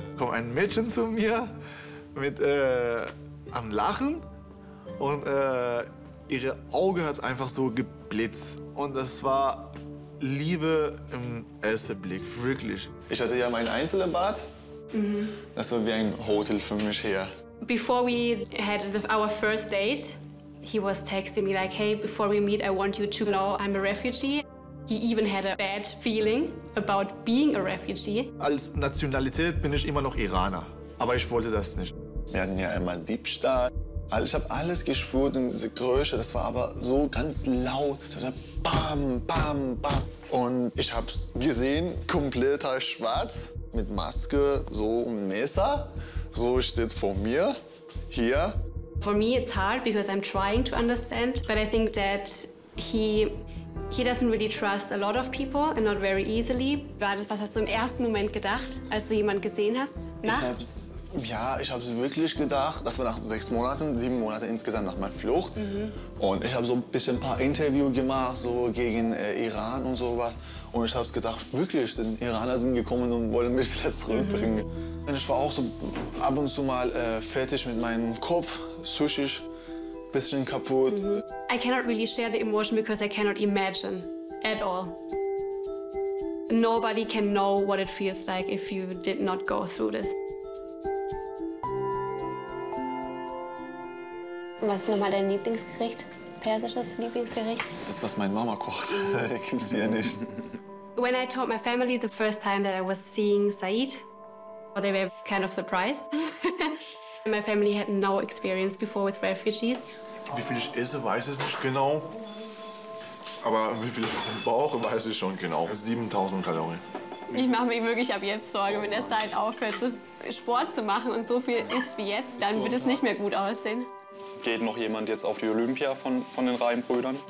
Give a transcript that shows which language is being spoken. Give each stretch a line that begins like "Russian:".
German: Kommt ein Mädchen zu mir mit am Lachen. Und ihre Auge hat einfach so geblitzt. Und das war Liebe im ersten Blick, wirklich. Ich hatte ja mein Einzelbad. Mhm. Das war wie ein Hotel für mich hier.
English: Before we had our first date, he was texting me like, hey, before we meet, I want you to know I'm a refugee. He even had a bad feeling about being a refugee.
German: Als Nationalität bin ich immer noch Iraner, aber ich wollte das nicht. Wir hatten ja einmal Diebstahl. Ich habe alles gespürt und diese Geräusche, das war aber so ganz laut. Ich dachte, bam, bam, bam. Und ich hab's gesehen, kompletter Schwarz, mit Maske, so ein Messer. So steht's vor mir, hier.
English: For me it's hard because I'm trying to understand, but I think that he doesn't really trust a lot of people and not very easily.
German: Was hast du im ersten Moment gedacht, als du jemanden gesehen hast, nachts? Ich hab's wirklich gedacht, das war nach 6 Monaten, 7 Monaten insgesamt nach meiner Flucht. Mhm. Und ich habe so ein bisschen ein paar Interviews gemacht, so gegen Iran und sowas. Und ich hab's gedacht, wirklich, die Iraner sind gekommen und wollen mich wieder zurückbringen. Mhm. Und ich war auch so ab und zu mal fertig mit meinem Kopf, psychisch, bisschen kaputt.
English: Mhm. I cannot really share the emotion because I cannot imagine at all. Nobody can know what it feels like if you did not go through this.
German: Was ist nochmal dein Lieblingsgericht? Persisches Lieblingsgericht? Das, was meine Mama kocht. Gibt's ja nicht.
English: When I told my family the first time that I was seeing Saeed, well, they were kind of surprised. My family had no experience before with refugees.
German: Wie viel ich esse, weiß ich nicht genau. Aber wie viel ich brauche, weiß ich schon genau. 7000 Kalorien. Ich mache mir wirklich ab jetzt Sorge, wenn der Saeed aufhört, Sport zu machen und so viel isst wie jetzt, dann wird es nicht mehr gut aussehen. Geht noch jemand jetzt auf die Olympia von den Reihenbrüdern?